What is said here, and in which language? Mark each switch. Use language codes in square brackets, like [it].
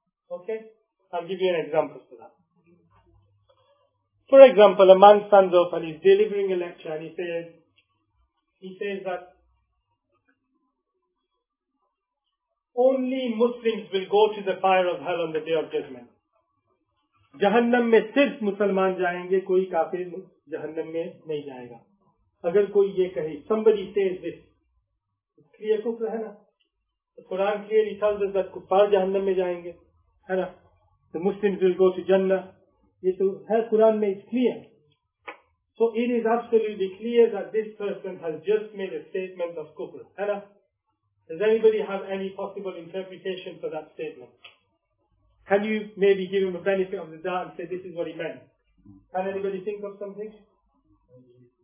[en] Okay? I'll give you an example for that. For example, a man stands up and he's delivering a lecture and he says that only Muslims will go to the fire of hell on the day of judgment. [ur] جہنم میں صرف مسلمان جائیں گے، کوئی کافر جہنم میں نہیں جائے گا۔ اگر کوئی یہ کہے، [en] somebody says this، [ur] کیا کچھ رہنا؟ [en] The Quran clearly tells us that [ur] کفار جہنم میں جائیں گے، ہے نا؟ [en] The Muslims will go to Jannah. [ur] یہ تو ہے قرآن میں، [en] it's clear. So it is absolutely clear that this person has just made a statement of kufr, [ur] hai na? [en] Does anybody have any possible interpretation for that statement? Can you maybe give him a benefit of the doubt and say this is what he meant? Can anybody think of something?